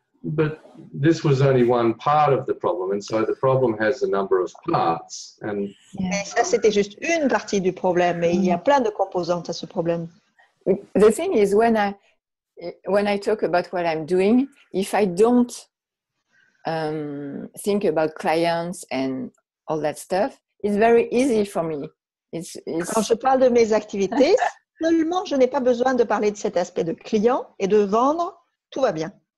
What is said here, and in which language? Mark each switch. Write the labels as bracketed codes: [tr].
[en] But this was only one part of the problem, and so the problem has a number of parts. And [fr] mais ça, c'était juste une partie du problème, mais il y a plein de composantes à ce problème. [en] The thing is, when I talk about what I'm doing, if I don't think about clients and all that stuff, it's very easy for me. It's... [fr] Quand je parle de mes activités, seulement je n'ai pas besoin de parler de cet aspect de client et de vendre, tout va bien.